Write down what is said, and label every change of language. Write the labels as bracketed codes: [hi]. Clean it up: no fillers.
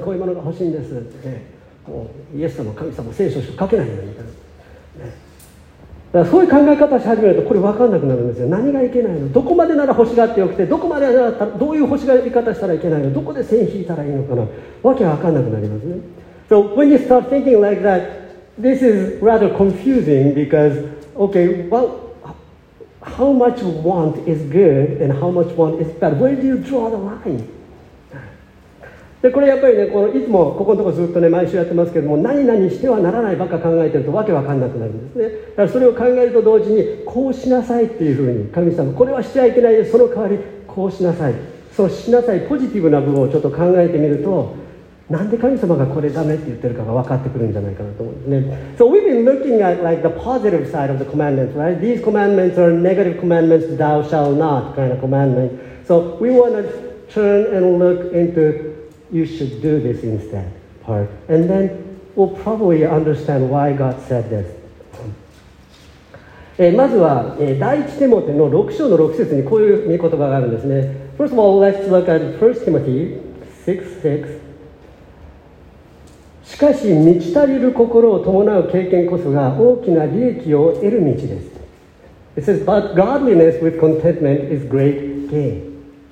[ja] こういうものが欲しいんですって、ね、もうイエス様、神様、聖書しか書けないんだみたいな。そういう考え方をし始めるとこれ分かんなくなるんですよ。何がいけないの、どこまでなら星があってよくて、どこまでならどういう星がいり方したらいけないの、どこで線引いたらいいのかな、わけが分かんなくなりますね。 [en] So when you start thinking like that, this is rather confusing because, okay, well, how much want is good and how much want is bad? Where do you draw the line? [ja] でこれやっぱりね、このいつもここのところずっとね毎週やってますけども、何々してはならないばっか考えてるとわけわかんなくなるんですね。だからそれを考えると同時に、こうしなさいっていうふうに神様、これはしちゃいけないで、その代わりこうしなさい、そのしなさいポジティブな部分をちょっと考えてみると、なんで神様がこれダメって言ってるかが分かってくるんじゃないかなと思うんですね。 [en] So we've been looking at like the positive side of the commandments, right? These commandments are negative commandments, thou shall not kind of commandment. So we want to turn and look intoYou should do this instead part. And then we'll probably understand why God said this. [ja] まずは、第一テモテの6章の6節にこういう御言葉があるんですね。 [en] First of all, let's look at 1 Timothy 6:6. [ja] しかし、満ち足りる心を伴う経験こそが大きな利益を得る道です。 [en] It says, but godliness with contentment is great gain.